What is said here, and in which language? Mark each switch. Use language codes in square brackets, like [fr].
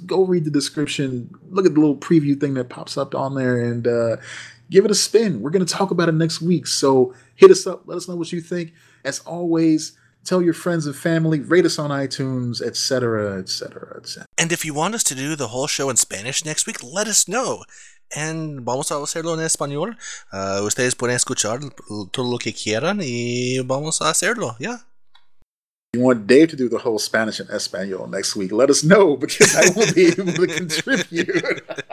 [en] Go read the description. Look at the little preview thing that pops up on there, and give it a spin. We're going to talk about it next week, so hit us up. Let us know what you think. As always, tell your friends and family, rate us on iTunes, etc., etc., etc. And if you want us to do the whole show in Spanish next week, let us know. [es] And vamos a hacerlo en español. Ustedes pueden escuchar todo lo que quieran y vamos a hacerlo, yeah. [en] You want Dave to do the whole Spanish and Espanol next week? Let us know, because I won't be able to contribute.